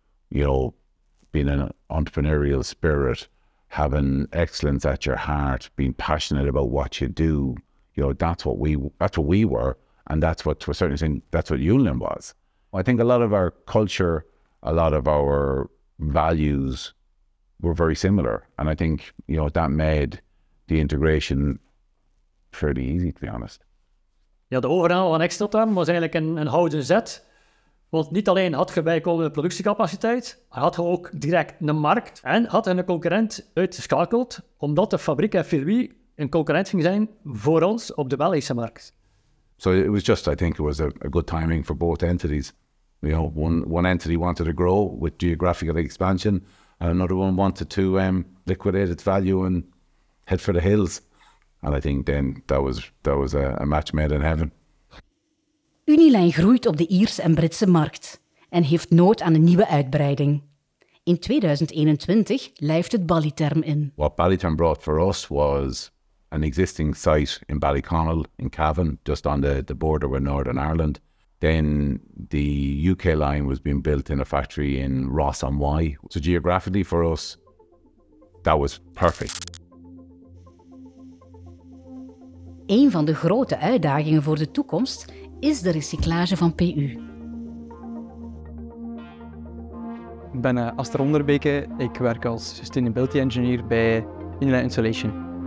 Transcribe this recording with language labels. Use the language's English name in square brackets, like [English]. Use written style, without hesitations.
[English] You know, being an entrepreneurial spirit, having excellence at your heart, being passionate about what you do, you know, that's what we were. And that's what, to a certain extent, that's what Unilin was. I think a lot of our culture, a lot of our values were very similar. And I think, you know, that made the integration fairly easy, to be honest. [Dutch] Ja, de overname van Exteltam was eigenlijk een houden zet. Want niet alleen had je bijkomende productiecapaciteit, hij had ook direct een markt en had een concurrent uitgeschakeld, omdat de fabriek in Villeroy een concurrent ging zijn voor ons op de Belgische markt. [English] So it was just, I think it was a good timing for both entities. You know, one entity wanted to grow with geographical expansion, and another one wanted to liquidate its value and head for the hills. And I think then that was a match made in heaven. [Dutch] Unilin groeit op de Ierse en Britse markt en heeft nood aan een nieuwe uitbreiding. In 2021 lijft het Ballyterm in. [English] What Ballyterm brought for us was an existing site in Ballyconnell in Cavan, just on the border with Northern Ireland. Then the UK line was being built in a factory in Ross-on-Wye. So geographically for us, that was perfect. [Dutch] Een van de grote uitdagingen voor de toekomst is de recyclage van PU. Ik ben Aster Onderbeke. Ik werk als sustainability engineer bij Unilin Insulation.